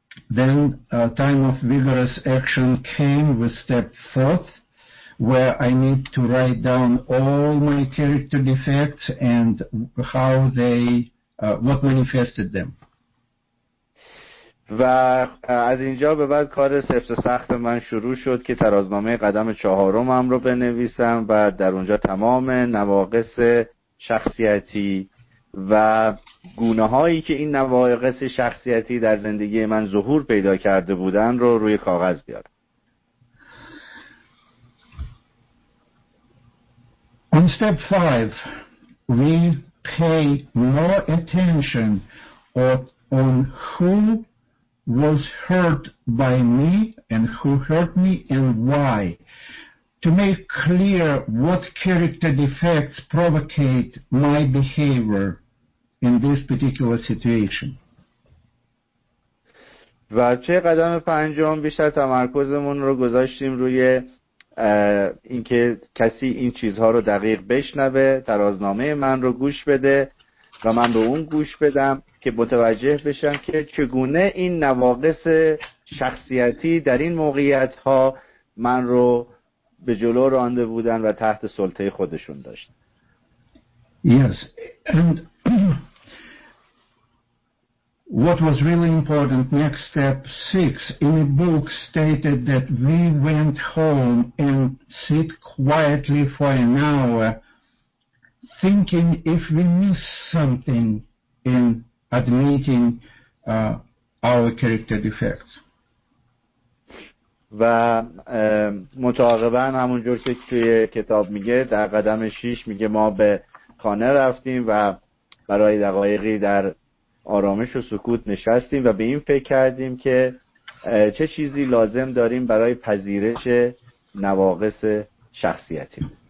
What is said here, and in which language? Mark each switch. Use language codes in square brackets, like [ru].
[en] Then time of vigorous action came with step fourth, where I need to write down all my character defects and how they what manifested them. [fa] و از اینجا به بعد کار سفت و سخت من شروع شد که ترازنامه قدم چهارمم رو بنویسم و در اونجا تمام نواقص شخصیتی و گونه هایی که این نواقص شخصیتی در زندگی من ظهور پیدا کرده بودن رو روی کاغذ بیارم. [en] On step 5, we pay more attention on who was hurt by me and who hurt me and why, to make clear what character defects provocate my behavior in this particular situation. [fa] و چه قدم پنجم بیشتر تمرکزمون رو گذاشتیم روی اینکه کسی این چیزها رو دقیق بشنوه، ترازنامه من رو گوش بده و من به اون گوش بدم که متوجه بشم که چگونه این نواقص شخصیتی در این موقعیت ها من رو به جلو رانده بودن و تحت سلطه خودشون داشت. [en] Yes. And what was really important, next step 6, in a book stated that we went home and sit quietly for an hour thinking if we missed something in admitting our character defects. [fa] و متعاقبا همونجور که توی کتاب میگه در قدم 6 میگه ما به خانه رفتیم و برای دقایقی در آرامش و سکوت نشستیم و به این فکر کردیم که چه چیزی لازم داریم برای پذیرش نواقص شخصیتی.